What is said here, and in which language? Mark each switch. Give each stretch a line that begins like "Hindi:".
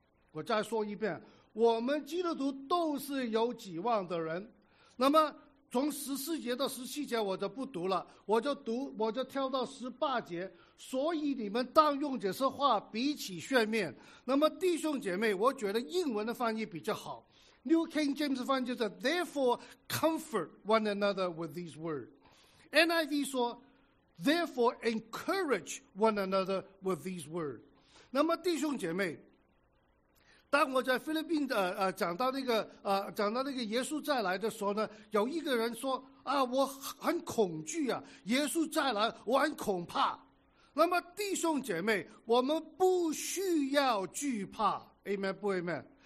Chinese: 我再说一遍，我们基督徒都是有指望的人。那么从14节到17节我就不读了，我就跳到18节。所以你们当用这些话彼此劝勉。那么弟兄姐妹，我觉得英文的翻译比较好。
English: New King James
Chinese: 翻译就是
English: Therefore comfort one another with these words. NIV
Chinese: 说
English: Therefore encourage one another with these words.
Chinese: 那么弟兄姐妹，当我在菲律宾讲到那个耶稣再来的时候呢，有一个人说啊，我很恐惧啊，耶稣再来我很恐怕。那么弟兄姐妹，我们不需要惧怕 ，Amen 不 Amen？